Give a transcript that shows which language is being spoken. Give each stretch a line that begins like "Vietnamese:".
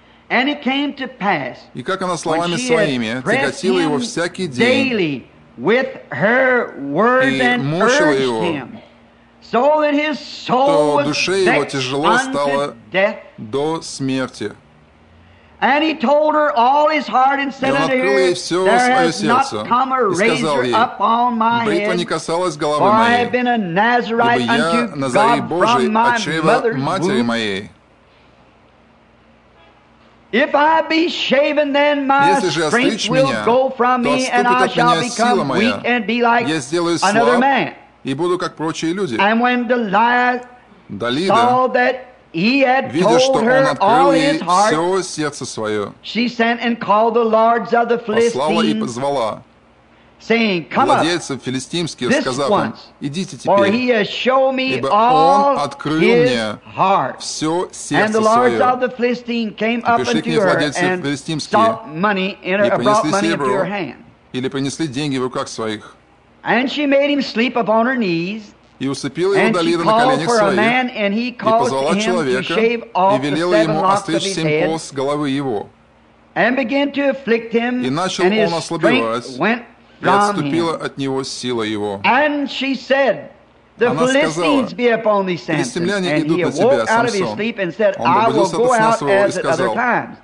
English: And it came to pass,
Russian: и как она словами своими тяготила его всякий день
English: with her word
Russian: и мучила его,
English: so that his soul
Russian: то душе его тяжело стало до смерти.
English: And he told her all his heart and said
Russian: и он открыл ей все свое сердце и сказал ей, бритва не касалась головы моей, ибо я Назарей Божий от чрева матери моей.
English: If I be shaven, then my strength will go from me, and I shall become weak and be like another man. And when Delilah saw that he had told her all his heart, she sent and called the lords of the Philistines, saying, "Come up, this once, for he has shown me all his heart." And the lords of the Philistines came up unto her and sought money in her, brought money into her hand.
Russian: Или принесли деньги в руках своих.
English: And she made him sleep upon her knees.
Russian: И усыпила его Далида на коленях своих. И позвала человека и велела ему остричь семь кос головы его.
English: And began to afflict him,
Russian: и начал он ослабевать. И отступила от него сила его.
English: And she said, the Philistines be upon thee, Samson. And he awoke out of his sleep and said, I will go out as at other times.